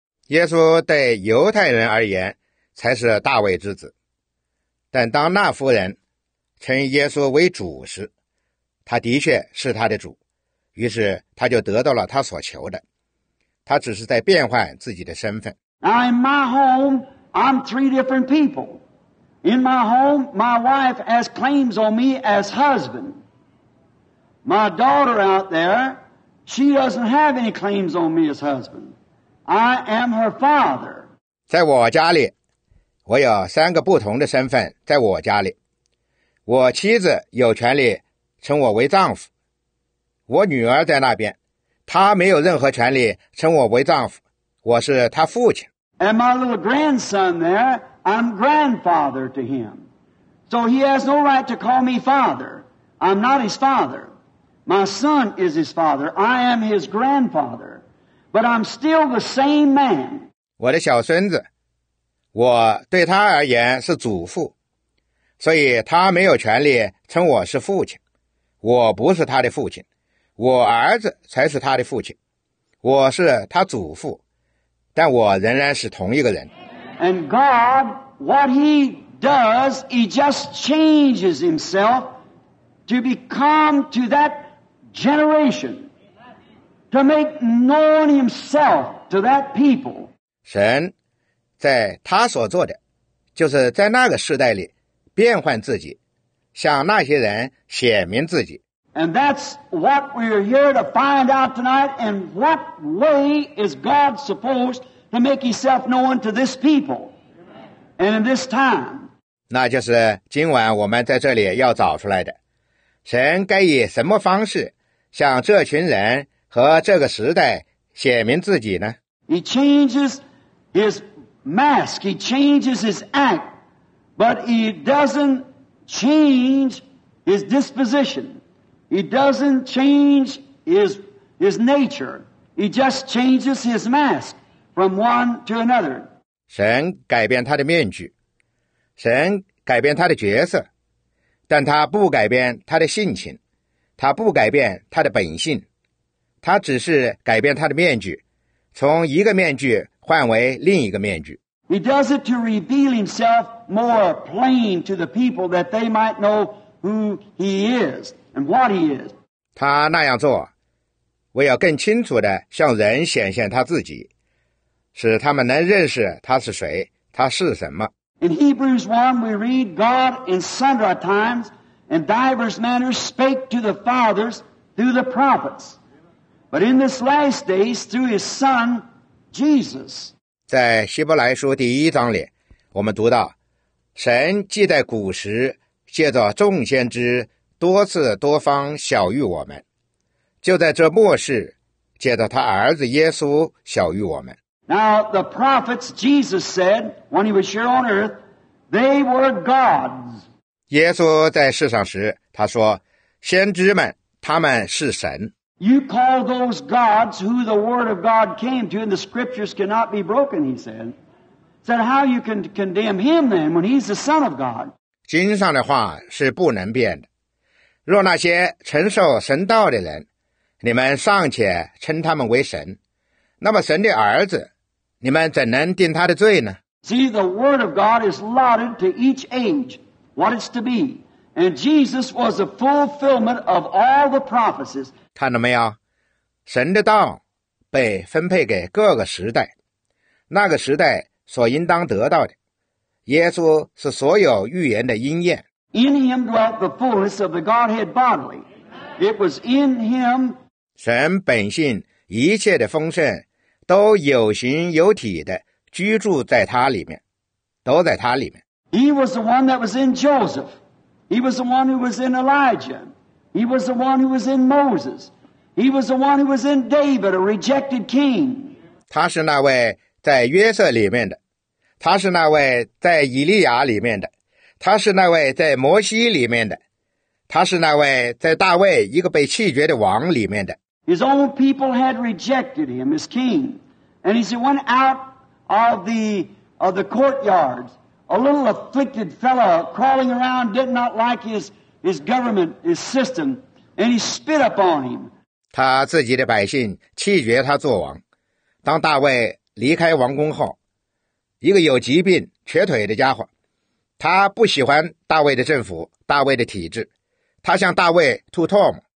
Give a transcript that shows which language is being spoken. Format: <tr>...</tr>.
<zh>耶稣对犹太人而言才是大卫之子。但当那妇人称耶稣为主时，他的确是他的主，于是他就得到了他所求的。他只是在变换自己的身份。</zh> <en>Now in my home, I'm three different people. In my home, my wife has claims on me as husband. My daughter out there, she doesn't have any claims on me as husband. I am her father.</en> <zh>在我家里，我有三个不同的身份。在我家里，我妻子有权利称我为丈夫，我女儿在那边，她没有任何权利称我为丈夫，我是她父亲。</zh> <en>And my little grandson there, I'm grandfather to him. So he has no right to call me father. I'm not his father. My son is his father. I am his grandfather. But I'm still the same man.</en> <zh>我的小孙子，我对他而言是祖父，所以他没有权利称我是父亲。我不是他的父亲，我儿子才是他的父亲，我是他祖父，但我仍然是同一个人。</zh> <en>And God, what he does, he just changes himself to become to that generation, to make known himself to that people.</en> <zh>神在他所做的，就是在那个世代里变换自己，向那些人显明自己。</zh> <en>And that's what we're here to find out tonight, and what way is God supposed to make himself known to this people and in this time?</en> <zh>那就是今晚我们在这里要找出来的。神该以什么方式向这群人和这个时代显明自己呢？</zh> <en>He changes his mask, he changes his act, but he doesn't change his disposition. He doesn't change his nature. He just changes his mask from one to another.</en> <zh>神改变他的面具，神改变他的角色，但他不改变他的性情，他不改变他的本性，他只是改变他的面具，从一个面具换为另一个面具。</zh> <en>He does it to reveal himself more plain to the people that they might know who he is and what he is.</en> <zh>他那样做，为要更清楚地向人显现他自己，使他们能认识他是谁，他是什么。</zh> <en>In Hebrews 1, we read, God in sundry times and divers manners spake to the fathers through the prophets. But in this last days, through his Son, Jesus.</en> <zh>在希伯来书第一章里，我们读到，神既在古时借着众先知多次多方晓谕我们，就在这末世借着他儿子耶稣晓谕我们。</zh> <en>Now the prophets, Jesus said, when he was here on earth, they were gods.</en> <zh>耶稣在世上时，他说，先知们，他们是神。</zh> <en>You call those gods who the word of God came to and the scriptures cannot be broken, he said. Said how you can condemn him then when he's the son of God.</en> <zh>经上的话是不能变的。若那些承受神道的人，你们尚且称他们为神，那么神的儿子，你们怎能定他的罪呢？</zh> <en>See, the word of God is allotted to each age, what it's to be. And Jesus was a fulfillment of all the prophecies.</en> <zh>看到没有？神的道被分配给各个时代，那个时代所应当得到的。耶稣是所有预言的应验。</zh> <en>In him dwelt the fullness of the Godhead bodily. It was in him.</en> <zh>神本性一切的丰盛都有形有体的居住在他里面，都在他里面。</zh> <en>He was the one that was in Joseph. He was the one who was in Elijah. He was the one who was in Moses. He was the one who was in David, a rejected king.</en> <zh>他是那位在约瑟里面的，他是那位在以利亚里面的，他是那位在摩西里面的，他是那位在大卫一个被弃绝的王里面的。</zh> <en>His own people had rejected him as king. And he said, went out of the courtyards, a little afflicted fellow crawling around, did not like his government, his system, and he spit upon him.</en> <zh>他自己的百姓弃绝他做王。当大卫离开王宫后，一个有疾病瘸腿的家伙，他不喜欢大卫的政府，大卫的体制，他向大卫吐唾沫。</zh>